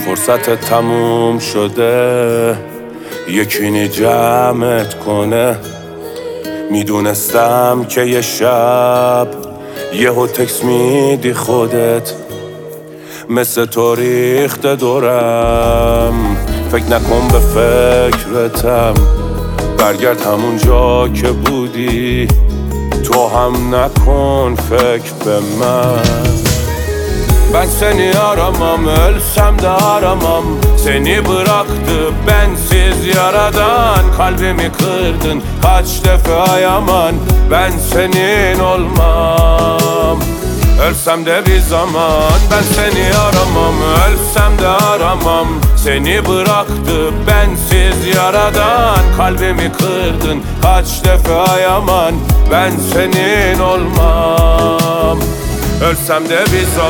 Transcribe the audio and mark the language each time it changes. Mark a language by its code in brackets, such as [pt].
[fa] فرصت تموم شده یکی نی جمعت کنه، میدونستم که یه شب یه تکس میدی خودت، مثل تو ریخته دورم، فکر نکن به فکرتم، برگرد همون جا که بودی، تو هم نکن فکر به من. [tr] Ben seni aramam, ölsem de aramam. Seni bıraktı bensiz yaradan. Kalbimi kırdın kaç defa ayaman. Ben senin olmam, ölsem de bir zaman. Ben seni aramam, ölsem de aramam. Seni bıraktı bensiz yaradan. Kalbimi kırdın kaç defa ayaman. Ben senin olmam, ölsem de bir